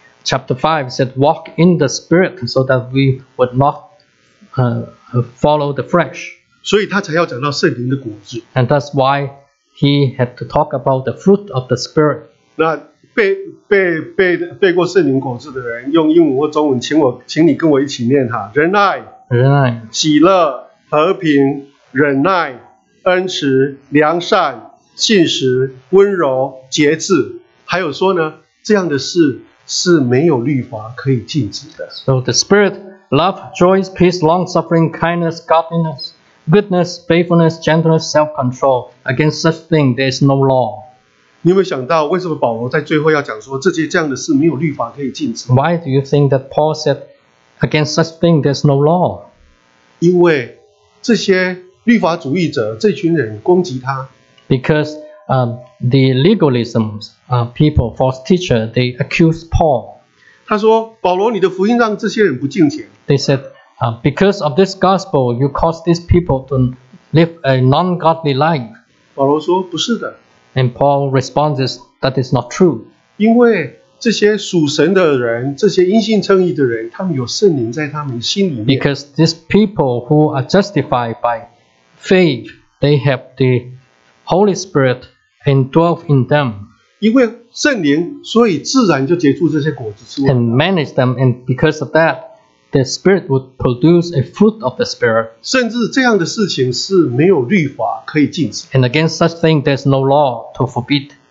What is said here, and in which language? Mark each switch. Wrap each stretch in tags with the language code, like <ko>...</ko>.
<en>Chapter 5 said, walk in the Spirit so that we would not follow the flesh.</en> <zh>所以他才要讲到圣灵的果子。</zh> <en>And that's why he had to talk about the fruit of the Spirit.</en> <zh>那背过圣灵果子的人，用英文或中文，请你跟我一起念哈，仁爱。忍耐、喜乐、和平、忍耐、恩慈、良善、信实、温柔、节制，还有说呢，这样的事是没有律法可以禁止的。</zh> <en>So the Spirit, love, joy, peace, long-suffering, kindness, godliness, goodness, faithfulness, gentleness, self-control. Against such thing, there is no law.</en> <zh>你有没有想到为什么保罗在最后要讲说这样的事没有律法可以禁止</zh> <en>？Why do you think that Paul said against such thing, there is no law?</en> <zh>因为这些律法主义者这群人攻击他。</zh> <en>Because the legalism people, false teacher, they accuse Paul.</en> <zh>他说保罗你的福音让这些人不敬虔。</zh> <en>They said, because of this gospel, you cause these people to live a non-godly life.</en> <zh>保罗说不是的。</zh> <en>And Paul responds, that is not true.</en> <zh>因为这些属神的人，这些因信称义的人，他们有圣灵在他们心里面。</zh> <en>Because these people who are justified by faith, they have the Holy Spirit indwelt in them.</en> <zh>因为圣灵，所以自然就结出这些果子出来。</zh> <en>And manage them, and because of that, the Spirit would produce a fruit of the Spirit.</en> <zh>甚至这样的事情是没有律法可以禁止。</zh> <en>And against such thing, there's no law to forbid.</en>